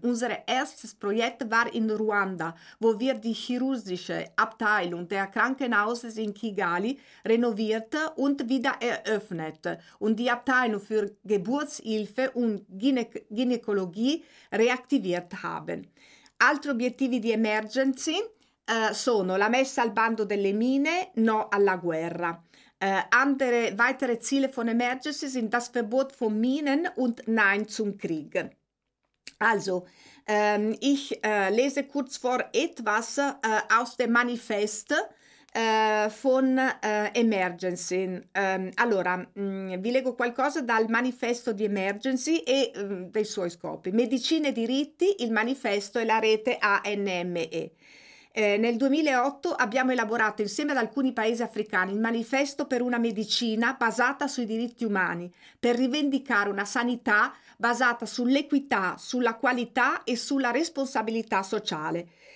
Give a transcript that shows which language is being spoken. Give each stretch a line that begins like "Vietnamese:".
German: Unser erstes Projekt war in Ruanda, wo wir die chirurgische Abteilung der Krankenhauses in Kigali renoviert und wieder eröffnet und die Abteilung für Geburtshilfe und Gynäkologie reaktiviert haben.
Italian: Altri obiettivi di Emergency sono la messa al bando delle mine, no alla guerra.
German: Andere weitere Ziele von Emergency sind das Verbot von Minen und Nein zum Krieg. Also, ich lese kurz vor etwas aus dem Manifest von Emergency.
Italian: Allora, vi leggo qualcosa dal manifesto di Emergency e dei suoi scopi. Medicina e diritti, il manifesto e la rete ANME. Nel 2008 abbiamo elaborato insieme ad alcuni paesi africani il manifesto per una medicina basata sui diritti umani, per rivendicare una sanità basata sull'equità, sulla qualità e sulla responsabilità sociale.